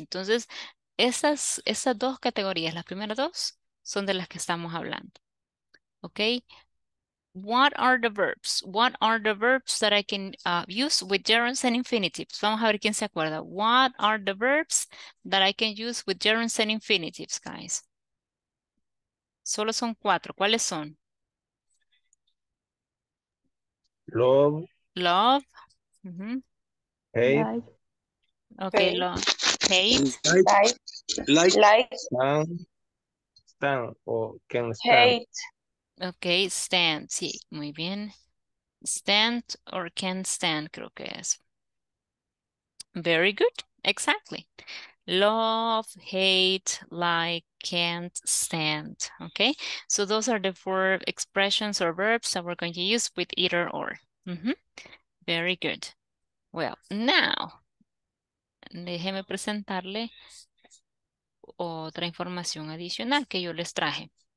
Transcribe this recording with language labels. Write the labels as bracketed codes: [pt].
[es] Entonces, esas dos categorías, las primeras dos, son de las que estamos hablando. [en] Okay? What are the verbs? What are the verbs that I can use with gerunds and infinitives? [es] Vamos a ver quién se acuerda. [en] What are the verbs that I can use with gerunds and infinitives, guys? [es] Solo son cuatro. ¿Cuáles son? [en] Love. Love. Mm-hmm. Hate. Okay, hate. Love. Hate. Like. Stand. Or can stand. Hate. Okay, stand. [es] Sí, muy bien. [en] Stand or can stand, [es] creo que es. [en] Very good. Exactly. Love, hate, like, can't stand. Okay, so those are the four expressions or verbs that we're going to use with either or. Mm-hmm. Very good. Well, now, [es] déjeme presentarle otra información adicional que yo les traje.